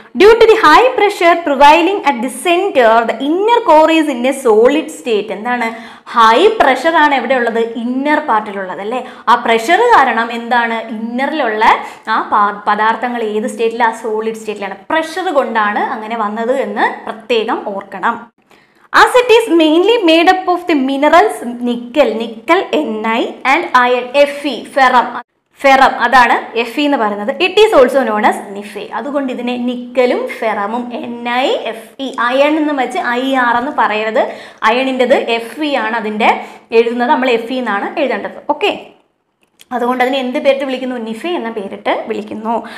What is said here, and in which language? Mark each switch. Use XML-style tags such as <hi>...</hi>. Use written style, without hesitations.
<en>Due to the high pressure prevailing at the centre the inner core is in a solid state.</en> <ml>എന്താണ്, high pressure ആണ് എവിടെ ഉള്ളത്, inner പാർട്ടിലുള്ളത് അല്ലേ. ആ pressure കാരണം എന്താണ്, ഇന്നറിലുള്ള ആ പദാർത്ഥങ്ങൾ ഏത് സ്റ്റേറ്റിൽ, ആ സോളിഡ് സ്റ്റേറ്റിലാണ്. പ്രഷർ കൊണ്ടാണ് അങ്ങനെ വന്നത് എന്ന് പ്രത്യേകം ഓർക്കണം.</ml> <en>As it is mainly made up of the minerals nickel, nickel Ni and iron Fe, ferrum.</en> <ml>Ferrum അതാണ് എഫ് ഇ എന്ന് പറയുന്നത്.</ml> <en>It is also known as NiFe.</en> <ml>അതുകൊണ്ട് ഇതിനെ നിക്കലും ഫെറമും N I F E, iron എന്ന് വെച്ച് ഐ ആർ എന്ന് പറയരുത്, അയണിൻ്റെത് F E ആണ് അതിൻ്റെ എഴുതുന്നത്, നമ്മൾ എഫ് ഇ എന്നാണ് എഴുതേണ്ടത്. ഓക്കെ, അതുകൊണ്ട് അതിനെ എന്ത് പേരിട്ട് വിളിക്കുന്നു, നിഫെ എന്ന പേരിട്ട് വിളിക്കുന്നു.</ml>